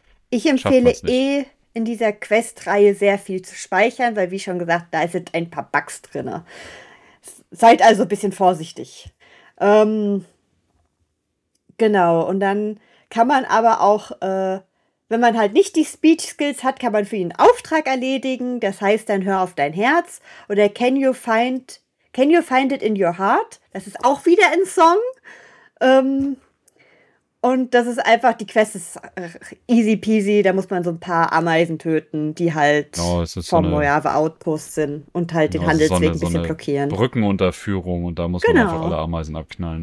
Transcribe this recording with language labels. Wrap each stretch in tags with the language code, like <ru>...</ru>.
<de>ich empfehle in dieser Questreihe sehr viel zu speichern, weil wie schon gesagt, da sind ein paar Bugs drin. Seid also ein bisschen vorsichtig. Genau, und dann kann man aber auch, wenn man halt nicht die Speech-Skills hat, kann man für ihn einen Auftrag erledigen. Das heißt dann, hör auf dein Herz.</de> <en>Oder can you find it in your heart?</en> <de>Das ist auch wieder ein Song. Und das ist einfach, die Quest ist easy peasy. Da muss man so ein paar Ameisen töten, die halt vom Mojave Outpost sind und halt den Handelsweg ein bisschen blockieren. Brückenunterführung und da muss man einfach alle Ameisen abknallen.</de>